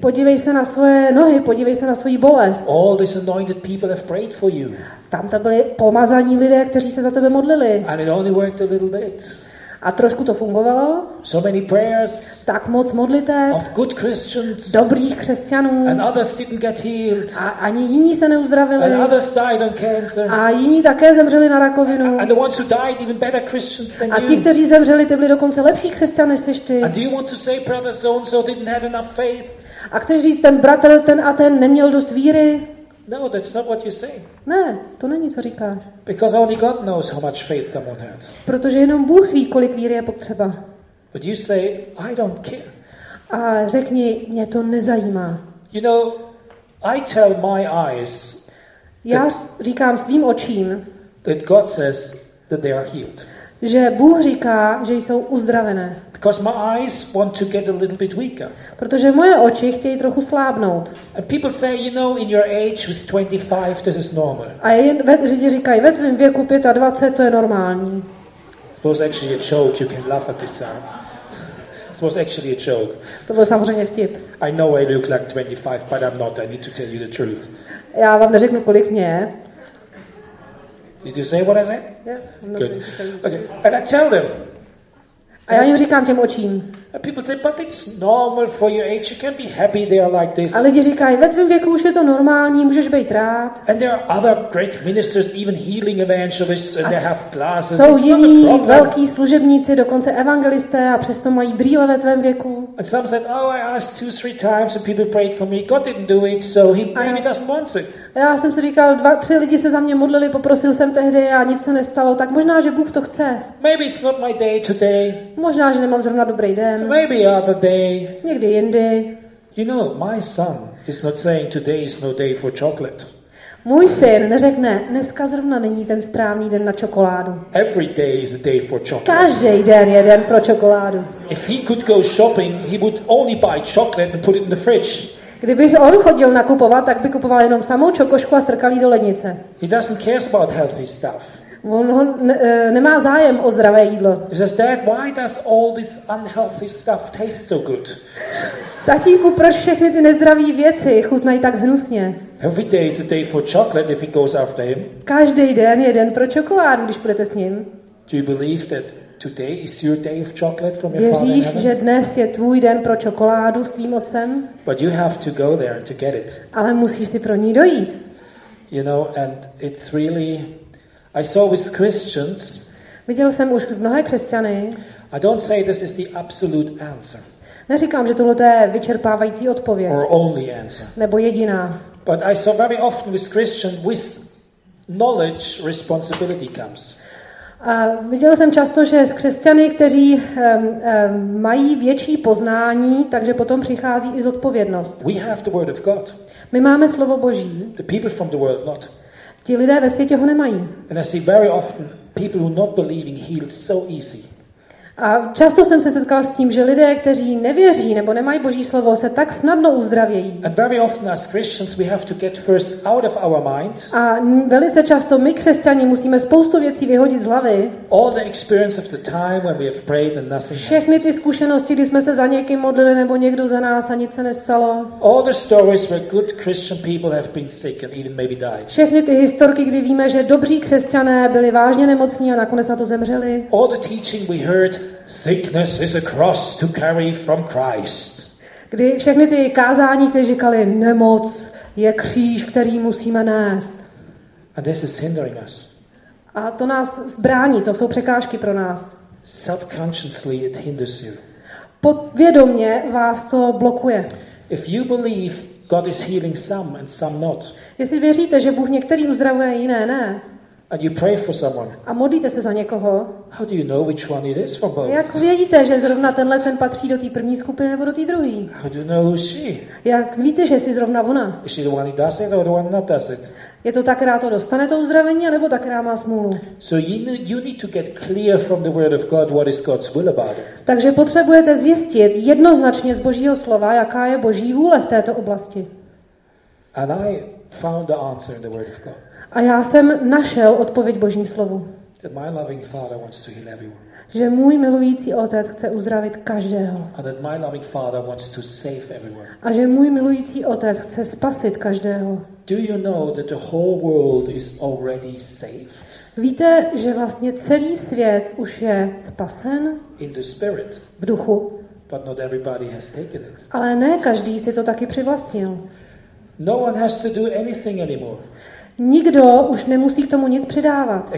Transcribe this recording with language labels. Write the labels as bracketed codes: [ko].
[cs] Podívej se na svoje nohy, podívej se na svoji bolest. [en] All these anointed people have prayed for you. [cs] Tam to byli pomazaní lidé, kteří se za tebe modlili. [en] And it only worked a little bit. [cs] A trošku to fungovalo. [en] So many prayers. [cs] Tak moc modlitev. [en] Of good Christians. [cs] Dobrých křesťanů. [en] And others didn't get healed. [cs] A ani jiní se neuzdravili. [en] And others died on cancer. [cs] A jiní také zemřeli na rakovinu. [en] And the ones who died even better Christians than you. [cs] A ti, kteří zemřeli, ty byli dokonce lepší křesťané než ty. [en] And do you want to say brother so and so didn't have enough faith? [cs] A chceš říct, ten bratr ten a ten neměl dost víry? [en] No, that's not what you're saying. [cs] Ne, to není, co říkáš. [en] Because only God knows how much faith someone has. [cs] Protože jenom Bůh ví, kolik víry je potřeba. [en] But you say, I don't care. [cs] A řekni, mě to nezajímá. [en] You know, I tell my eyes. [cs] Já říkám svým očím. [en] That God says that they are healed. [cs] Že Bůh říká, že jsou uzdravené. [en] Because my eyes want to get a little bit weaker. [cs] Protože moje oči chtějí trochu slábnout. [en] And people say, you know, in your age with 25, this is normal. [cs] A lidi říkají, ve tvém věku 25, to je normální. [en] It was actually a joke. You can laugh at this sound. It was actually a joke. [cs] To byl samozřejmě vtip. [en] I know I look like 25, but I'm not. I need to tell you the truth. [cs] Já vám neřeknu, kolik mě. [en] Did you say what I said? Yeah. Good. Okay. And I tell them. [cs] A já jim říkám těm očím. [en] People say, but it's normal for your age. You can be happy they are like this. [cs] A lidi říkají, ve tvém věku už je to normální, můžeš být rád. [en] And there are other great ministers, even healing evangelists, and they have glasses. [cs] Jsou jiní velký služebníci, dokonce evangelisté, a přesto mají brýle ve tvém věku. [en] And some said, oh, I asked 2-3 times and people prayed for me. God didn't do it, so he maybe doesn't want it. [cs] Já jsem si říkal, 2-3 lidi se za mě modlili, poprosil jsem tehdy a nic se nestalo, tak možná, že Bůh to chce. [en] Maybe it's not my day today. [cs] Možná, že nemám zrovna dobrý den. [en] Maybe other day. [cs] Někdy jindy. [en] You know, my son is not saying today is no day for chocolate. [cs] Můj syn neřekne, dneska zrovna není ten správný den na čokoládu. [en] Every day is a day for chocolate. [cs] Každý den je den pro čokoládu. [en] If he could go shopping, he would only buy chocolate and put it in the fridge. [cs] Kdybych on chodil nakupovat, tak by kupoval jenom samou čokošku a strkal jí do lednice. [en] He doesn't care about healthy stuff. [cs] On nemá zájem o zdravé jídlo. [en] He says, Dad, why does all this unhealthy stuff taste so good? [cs] Tatínku, proč všechny ty nezdravé věci chutnají tak hnusně? [en] Every day is a day for chocolate if he goes after him. [cs] Každý den je den pro čokoládu, když půjdete s ním. [en] Do you believe that today is your day of chocolate from your father in heaven? [cs] Věříš, že dnes je tvůj den pro čokoládu s tvým otcem? [en] But you have to go there to get it. [cs] Ale musíš si pro ní dojít. [en] You know, and it's really, I saw with Christians. [cs] Viděl jsem už mnohé křesťany. [en] I don't say this is the absolute answer. [cs] Neříkám, že tohle je vyčerpávající odpověď. [en] Or only answer. [cs] Nebo jediná. [en] But I saw very often with Christians, with knowledge, responsibility comes. [cs] A viděl jsem často, že s křesťany, kteří mají větší poznání, takže potom přichází i zodpovědnost. [en] We have the word of God. [cs] My máme slovo Boží. [en] The people from the world not. [cs] Ti lidé ve světě ho nemají. [en] And I see very often people who not believing healed so easy. [cs] A často jsem se setkal s tím, že lidé, kteří nevěří nebo nemají Boží slovo, se tak snadno uzdravějí. [en] And very often as Christians we have to get first out of our mind. [cs] A velice často my křesťani musíme spoustu věcí vyhodit z hlavy. [en] All the experience of the time when we have prayed and nothing happened. [cs] Všechny ty zkušenosti, kdy jsme se za někým modlili nebo někdo za nás a nic se nestalo. [en] All the stories where good Christian people have been sick and even maybe died. [cs] Všechny ty historky, kdy víme, že dobří křesťané byli vážně nemocní a nakonec na to zemřeli. [en] All the teaching we heard. Sickness is a cross to carry from Christ. [cs] Kdy všechny ty kázání, kteří říkali, nemoc je kříž, který musíme nést. [en] And this is hindering us. [cs] A to nás brání, to jsou překážky pro nás. [en] Subconsciously it hinders you. [cs] Podvědomě vás to blokuje. [en] If you believe God is healing some and some not. [cs] Jestli věříte, že Bůh některý uzdravuje, jiné ne. [en] And you pray for someone. [cs] A modlíte se za někoho? [en] How do you know which one it is from both? [cs] Jak vědíte, že zrovna tenhle ten patří do té první skupiny nebo do té druhé? [en] How do you know who she? [cs] Jak víte, že jestli zrovna ona? [en] Is she the one who does it or the one not does it? [cs] Je to ta, která to dostane to uzdravení, nebo ta, která má smůlu? [en] So you need to get clear from the word of God what is God's will about it. [cs] Takže potřebujete zjistit jednoznačně z Božího slova, jaká je Boží vůle v této oblasti. [en] And I found the answer in the word of God. [cs] A já jsem našel odpověď Božím slovu. [en] That my loving father wants to heal everyone. [cs] Že můj milující otec chce uzdravit každého. [en] And that my loving father wants to save everyone. [cs] A že můj milující otec chce spasit každého. [en] Do you know that the whole world is already saved? [cs] Víte, že vlastně celý svět už je spasen? [en] In the spirit. [cs] V duchu. [en] But not everybody has taken it. [cs] Ale ne každý si to taky přivlastnil. [en] No one has to do anything anymore. [cs] Nikdo už nemusí k tomu nic přidávat.